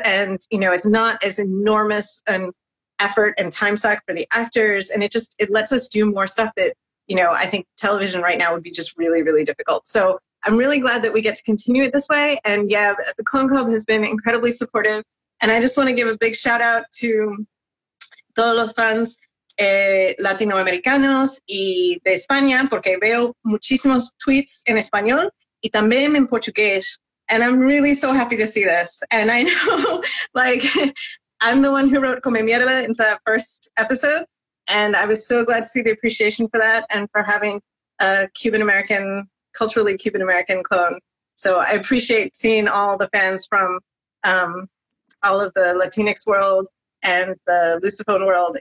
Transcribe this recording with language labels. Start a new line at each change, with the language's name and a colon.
English: And, you know, it's not as enormous an effort and time suck for the actors. And it just, it lets us do more stuff that, you know, I think television right now would be just really, really difficult. So I'm really glad that we get to continue it this way. And yeah, the Clone Club has been incredibly supportive. And I just want to give a big shout out to
Spanish: todos los fans latinoamericanos y de España, porque veo muchísimos tweets en español y también en portugués.
English: And I'm really so happy to see this. And I know, like, I'm the one who wrote Come Mierda into that first episode. And I was so glad to see the appreciation for that and for having a Cuban-American, culturally Cuban-American clone. So I appreciate seeing all the fans from all of the Latinx world and the Lusophone world.